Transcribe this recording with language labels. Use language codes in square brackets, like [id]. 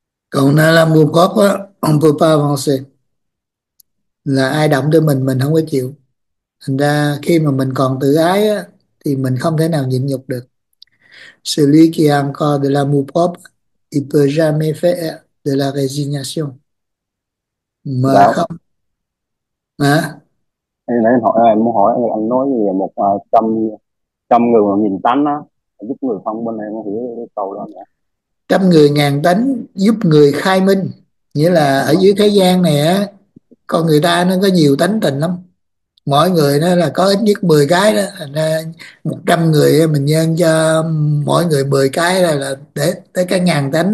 [vi] Còn nó là [fr] l'amour propre, on peut pas avancer. [vi] Là ai động tới mình không có chịu. Thành ra khi mà mình còn tự ái á, thì mình không thể nào nhịn nhục được. [fr] Celui qui a encore de l'amour propre, il peut jamais faire de la résignation. [vi] Mà Dạ. không. Hả? Em muốn hỏi anh nói về một trăm trăm người mà nhìn tánh á, giúp người thông bên em hiểu cái câu đó nữa. Trăm người ngàn tánh giúp người khai minh. Nghĩa là ở dưới thế gian này á, con người ta nó có nhiều tánh tình lắm, mỗi người nó là có ít nhất 10 cái đó, thành ra 100 người mình nhân cho mỗi người 10 cái là để tới cả ngàn tánh.